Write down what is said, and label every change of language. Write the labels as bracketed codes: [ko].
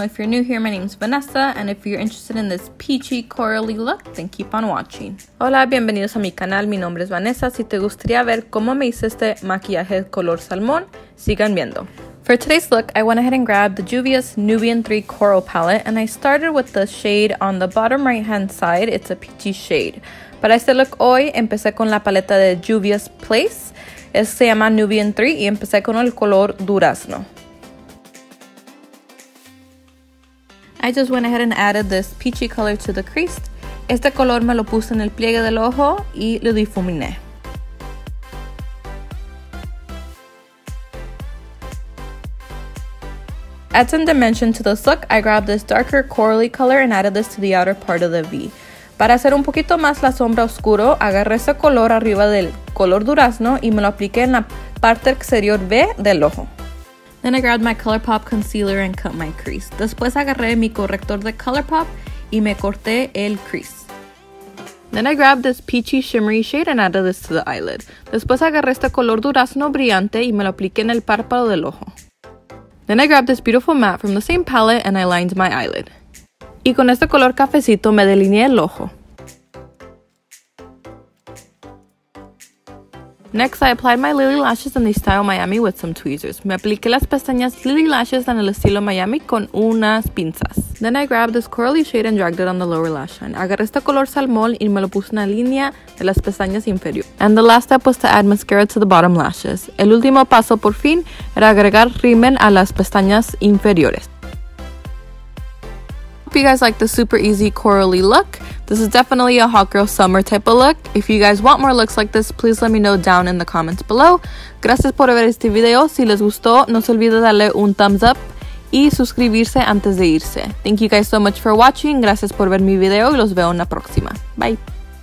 [en] If you're new here, my name is Vanessa, and if you're interested in this peachy corally look, then keep on watching. [es] Hola, bienvenidos a mi canal. Mi nombre es Vanessa. Si te gustaría ver cómo me hice este maquillaje color salmón, sigan viendo. [en] For today's look, I went ahead and grabbed the JUVIA'S Nubian 3 Coral Palette, and I started with the shade on the bottom right-hand side. It's a peachy shade. [es] Para este look hoy, empecé con la paleta de JUVIA'S Place. Este se llama Nubian 3, y empecé con el color durazno. [en] I just went ahead and added this peachy color to the crease. [es] Este color me lo puse en el pliegue del ojo y lo difuminé. [en] Add some dimension to this look, I grabbed this darker corally color and added this to the outer part of the V. [es] Para hacer un poquito más la sombra oscuro, agarré ese color arriba del color durazno y me lo apliqué en la parte exterior V del ojo. [en] Then I grabbed my ColourPop concealer and cut my crease. [es] Después agarré mi corrector de ColourPop y me corté el crease. [en] Then I grabbed this peachy shimmery shade and added this to the eyelid. [es] Después agarré este color durazno brillante y me lo apliqué en el párpado del ojo. [en] Then I grabbed this beautiful matte from the same palette and I lined my eyelid. [es] Y con este color cafecito me delineé el ojo. [en] Next, I applied my Lily Lashes in the style Miami with some tweezers. [es] Me apliqué las pestañas Lily Lashes en el estilo Miami con unas pinzas. [en] Then I grabbed this corally shade and dragged it on the lower lash line. [es] Agarré este color salmón y me lo puse en la línea de las pestañas inferior. [en] And the last step was to add mascara to the bottom lashes. [es] El último paso, por fin, era agregar rímel a las pestañas inferiores. [en] Hope you guys like the super easy corally look. This is definitely a hot girl summer type of look. If you guys want more looks like this, please let me know down in the comments below. [es] Gracias por ver este video. Si les gustó, no se olvide darle un thumbs up y suscribirse antes de irse. [en] Thank you guys so much for watching. [es] Gracias por ver mi video y los veo en la próxima. Bye.